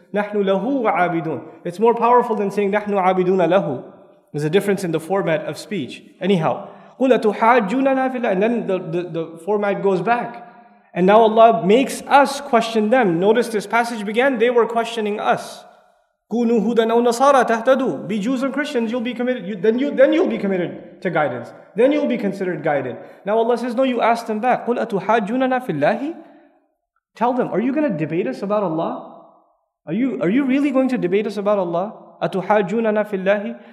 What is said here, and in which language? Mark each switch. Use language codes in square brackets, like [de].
[ar] نَحْنُ لَهُ عَابِدُونَ. [en] It's more powerful than saying, [ar] نَحْنُ عَابِدُونَ لَهُ. [en] There's a difference in the format of speech. Anyhow, [ar] قُلَ تُحَاجُّونَنَا فِي اللَّهِ. [en] And then the format goes back. And now Allah makes us question them. Notice this passage began, they were questioning us. [ar] كُونُوا هُدًا أَوْ نَصَارَى تَهْتَدُوا. [en] Be Jews and Christians, you'll be committed. You'll be committed to guidance. Then you'll be considered guided. Now Allah says, no, you ask them back. [ar] قُلَ تُحَاجُّونَنَا فِي اللَّهِ. [en] Tell them, are you going to debate us about Allah? Are you really going to debate us about Allah? [ar] أَتُحَاجُّونَنَا فِي اللَّهِ.